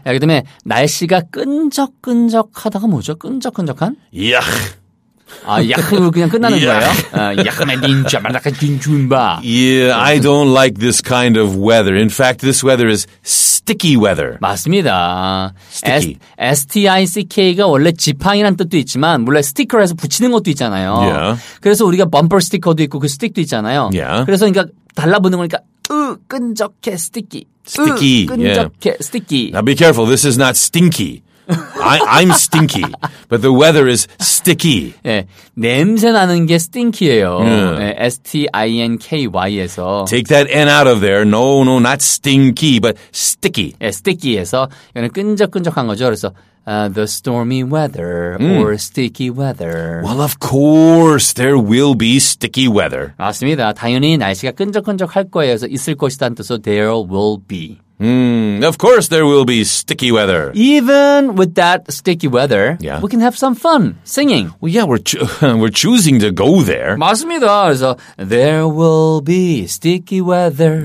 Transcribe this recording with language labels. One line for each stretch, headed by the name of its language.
Korean: 그 다음에 날씨가 끈적끈적하다가 뭐죠? 끈적끈적한?
English: Yuck.
Korean: 아, 야흐, 그냥 끝나는 yeah. 거예요? 야흐메 닌자, 말라카 딘줌바.
English: Yeah, I don't like this kind of weather. In fact, this weather is sticky weather.
Korean: 맞습니다.
English: Sticky.
Korean: STICK가 원래 지팡이란 뜻도 있지만, 원래 스티커를 해서 붙이는 것도 있잖아요.
English: Yeah.
Korean: 그래서 우리가 범퍼 스티커도 있고, 그 스틱도 있잖아요.
English: Yeah.
Korean: 그래서 그러니까 달라붙는 거니까, 끈적해, 스티키.
English: 스티키.
Korean: 끈적해,
English: yeah. 스티키. Now be careful, this is not stinky. I'm stinky, but the weather is sticky.
Korean: 네, 냄새 나는 게 stinky예요. Yeah. 네, S-T-I-N-K-Y에서.
English: Take that N out of there. No, no, not stinky, but sticky.
Korean: 네, sticky에서 이거는 끈적끈적한 거죠. 그래서
English: the stormy weather or sticky weather. Well, of course, there will be sticky weather.
Korean: 맞습니다. 당연히 날씨가 끈적끈적할 거예요. 있을 것이다는 뜻으로
English: there will be. Of course there will be sticky weather. Even with that sticky weather, yeah. we can have some fun singing. Well, yeah, we're choosing to go there.
Korean: 맞습니다. 그래서
English: there will be sticky weather.